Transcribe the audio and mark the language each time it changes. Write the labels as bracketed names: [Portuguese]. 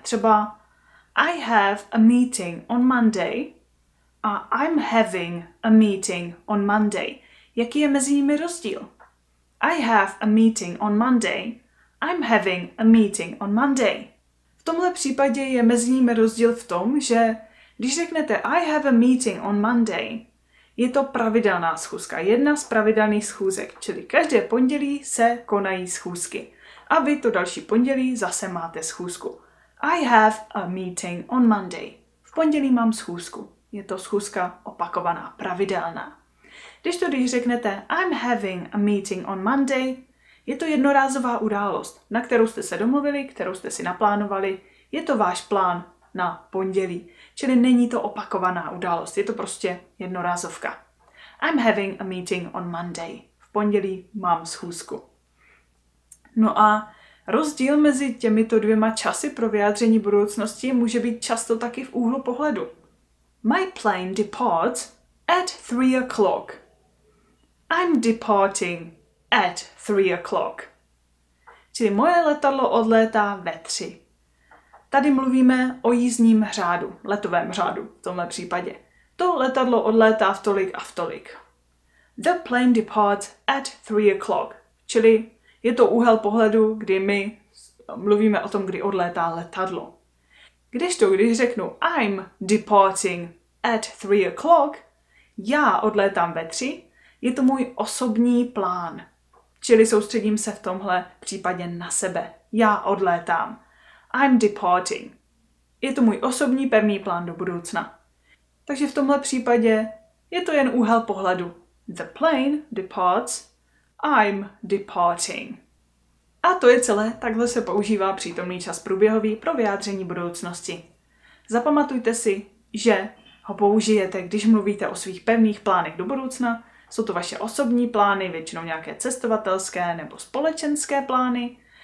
[Czech] Třeba [English] I have a meeting on Monday a I'm having a meeting on Monday. [Czech] Jaký je mezi nimi rozdíl? [English] I have a meeting on Monday. I'm having a meeting on Monday. [Czech] V tomhle případě je mezi nimi rozdíl v tom, že když řeknete [English] I have a meeting on Monday, [Czech] je to pravidelná schůzka, jedna z pravidelných schůzek, čili každé pondělí se konají schůzky. A vy to další pondělí zase máte schůzku. [English] I have a meeting on Monday. [Czech] V pondělí mám schůzku. Je to schůzka opakovaná, pravidelná. Když řeknete [English] I'm having a meeting on Monday, [Czech] je to jednorázová událost, na kterou jste se domluvili, kterou jste si naplánovali. Je to váš plán na pondělí. Čili není to opakovaná událost, je to prostě jednorázovka. [English] I'm having a meeting on Monday. [Czech] V pondělí mám schůzku. No a rozdíl mezi těmito dvěma časy pro vyjádření budoucnosti může být často taky v úhlu pohledu. [English] My plane departs at 3 o'clock. I'm departing at 3 o'clock. [Czech] Čili moje letadlo odlétá ve 3. Tady mluvíme o jízdním řádu, letovém řádu v tomhle případě. To letadlo odlétá v tolik a v tolik. [English] The plane departs at 3 o'clock. [Czech] Čili je to úhel pohledu, kdy my mluvíme o tom, kdy odlétá letadlo. Když řeknu [English] I'm departing at 3 o'clock, [Czech] já odlétám ve 3, je to můj osobní plán. Čili soustředím se v tomhle případě na sebe. Já odlétám. [English] I'm departing. [Czech] Je to můj osobní pevný plán do budoucna. Takže v tomhle případě je to jen úhel pohledu. [English] The plane departs, I'm departing. [Czech] A to je celé, takhle se používá přítomný čas průběhový pro vyjádření budoucnosti. Zapamatujte si, že ho použijete, když mluvíte o svých pevných plánech do budoucna. Jsou to vaše osobní plány, většinou nějaké cestovatelské nebo společenské plány.